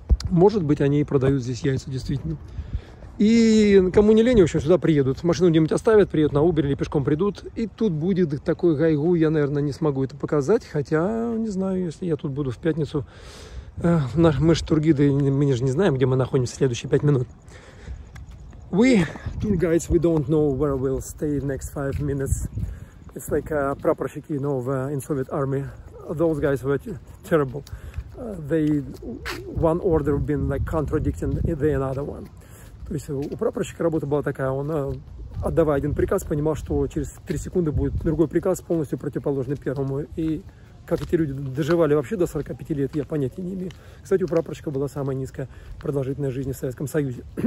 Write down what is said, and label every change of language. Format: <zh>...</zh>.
<ru>Может быть, они и продают здесь яйца, действительно. И кому не лень, в общем, сюда приедут. Машину где-нибудь оставят, приедут на Uber или пешком придут. И тут будет такой гайгу, я, наверное, не смогу это показать. Хотя, не знаю, если я тут буду в пятницу. Мы же тургиды, мы же не знаем, где мы находимся в следующие 5 минут.</ru> <en>We, tour guides, we don't know where we'll stay next 5 minutes. It's like прапорщики, you know, in Soviet army. Those guys were terrible. They, one order been like contradicting the another one.</en> <ru>То есть у прапорщика работа была такая, он, отдавая один приказ, понимал, что через 3 секунды будет другой приказ, полностью противоположный первому. И как эти люди доживали вообще до 45 лет, я понятия не имею. Кстати, у прапорщика была самая низкая продолжительность жизни в Советском Союзе.</ru>